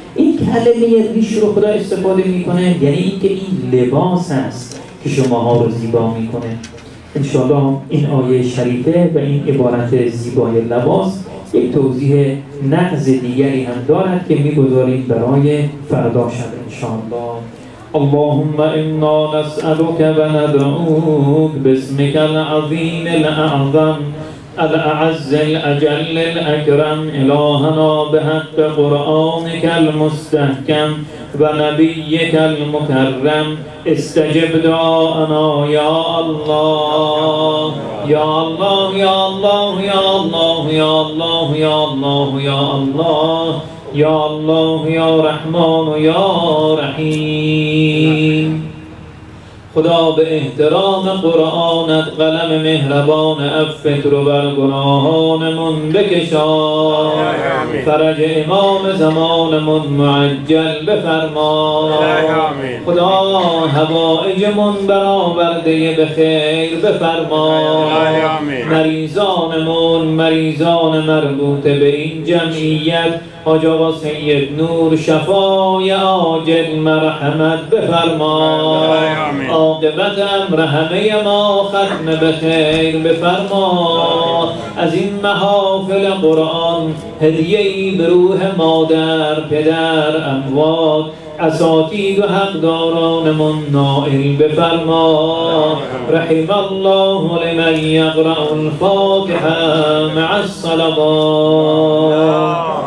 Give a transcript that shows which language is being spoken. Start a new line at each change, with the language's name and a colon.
Persian: این کلمه ریش رو خدا استفاده میکنه، یعنی اینکه این لباس است که شماها رو زیبا میکنه. انشاءالله این آیه شریفه و این عبارت زیبای لباس یک توضیح نقض دیگری هم دارد که میگذاریم برای فردا شب انشاءالله.
Arabic: اللهم انا نسألك و ندعوك باسمك العظیم الاعظم الأعز الأجل الأكرم إلهنا بحق قرآنك المستحكم ونبيك المكرم استجب دعاءنا يا الله يا الله يا الله يا الله يا الله يا الله يا الله يا الله يا رحمن يا رحيم.
Persian: خدا به احترام قرآنت قلم مهربان عفوت رو بر گناهانمون بکشان، فرج امام زمانمون معجل بفرمان، خدا حوائجمون برآورده بخیر بفرمان، مریضانمون مریضان مربوطه به این جمعیت حاج آقا سید نور شفای عاجل مرحمت بفرما، عاقبت امر همه ما ختم به خیر بفرما. از این محافل قرآن هدیه ای به روح مادر پدر اموات اساتید و حقدارانمون نائل بفرما.
Arabic: رحم الله لمن یقرأ الفاتحة مع الصلوات.